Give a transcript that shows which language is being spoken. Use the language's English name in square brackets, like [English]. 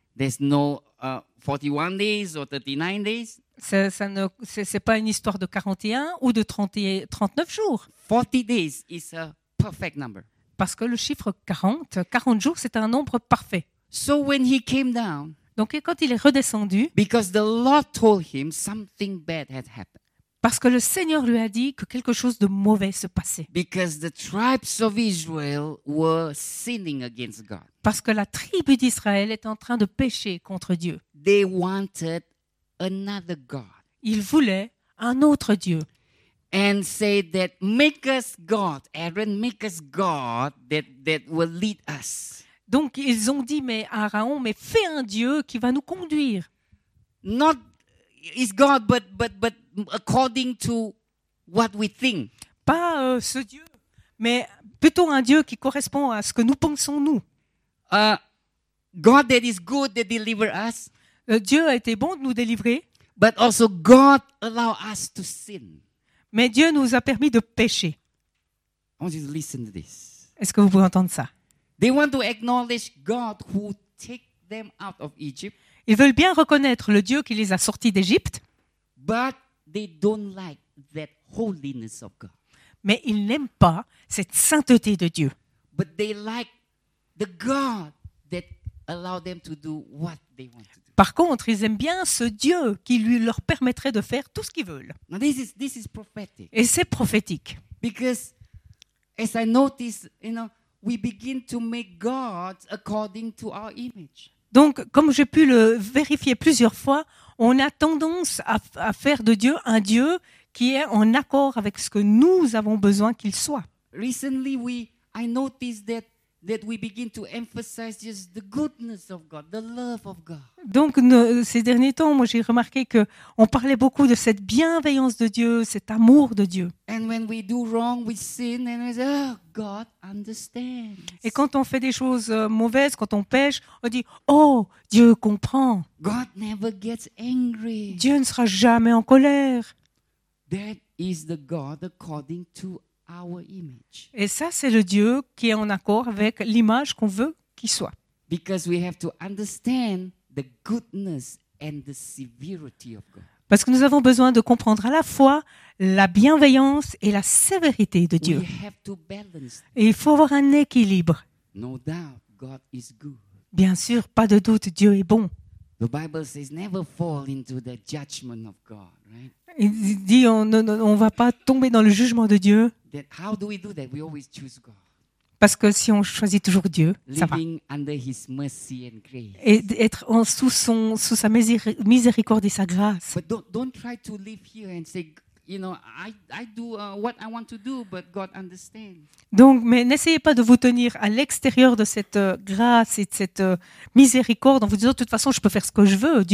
[English] There's no 41 days or 39 days. [French] C'est pas une histoire de 41 ou de 39 jours. [English] 40 days is a perfect number. [French] Parce que le chiffre 40 jours, c'est un nombre parfait. [English] So when he came down, [French] donc quand il est redescendu, [English] because the Lord told him something bad had happened. [French] Parce que le Seigneur lui a dit que quelque chose de mauvais se passait. [English] Because the tribes of Israel were sinning against God. [French] Parce que la tribu d'Israël est en train de pécher contre Dieu. [English] They wanted another god. [French] Il voulait un autre dieu. [English] And say that make us god, Aaron, make us god that will lead us. [French] Donc ils ont dit mais Aaron, mais fais un dieu qui va nous conduire. [English] Not is god but according to what we think. [French] Pas ce dieu, mais plutôt un dieu qui correspond à ce que nous pensons nous. [English] God that is good that deliver us. [French] Dieu a été bon de nous délivrer. [English] But also God allow us to sin. [French] Mais Dieu nous a permis de pécher. [English] I want you to listen to this. [French] Est-ce que vous pouvez entendre ça? [English] They want to acknowledge God who took them out of Egypt. [French] Ils veulent bien reconnaître le Dieu qui les a sortis d'Égypte. [English] But they don't like that holiness of God. [French] mais ils n'aiment pas cette sainteté de Dieu. [English] But they like the God that allowed them to do what they want to do. [French] Par contre, ils aiment bien ce Dieu qui lui leur permettrait de faire tout ce qu'ils veulent. [English] Now this is prophetic. [French] Et c'est prophétique. [English] Because as I notice, you know, we begin to make God according to our image. [French] Donc, comme j'ai pu le vérifier plusieurs fois, on a tendance à faire de Dieu un Dieu qui est en accord avec ce que nous avons besoin qu'il soit. [English] Recently, I noticed that we begin to emphasize just the goodness of God, the love of God. [French] Donc, ces derniers temps, moi, j'ai remarqué que on parlait beaucoup de cette bienveillance de Dieu, cet amour de Dieu. [English] And when we do wrong, we sin, and we say, oh, God understands. [French] Et quand on fait des choses mauvaises, quand on pêche, on dit, oh, Dieu comprend. [English] God never gets angry. [French] Dieu ne sera jamais en colère. [English] That is the God according to our image. [French] Et ça, c'est le Dieu qui est en accord avec l'image qu'on veut qu'il soit. [English] Because we have to understand the goodness and the severity of God. [French] Parce que nous avons besoin de comprendre à la fois la bienveillance et la sévérité de Dieu. [English] We have to balance. [French] Et il faut avoir un équilibre. [English] No doubt, God is good. [French] Bien sûr, pas de doute, Dieu est bon. [English] The Bible says never fall into the judgment of God, right? [French] Il dit on va pas tomber dans le jugement de Dieu. [English] Then how do we do that? We always choose God. [French] Parce que si on choisit toujours Dieu, [English] living [French] ça va. [English] Under his mercy and grace. [French] Et être sous sa miséricorde et sa grâce. [English] But don't try to live here and say, you know, I do what I want to do, but God understands. [French] Donc, mais n'essayez pas de vous tenir à l'extérieur de cette grâce et de cette miséricorde en vous disant, de toute façon, je peux faire ce que je veux.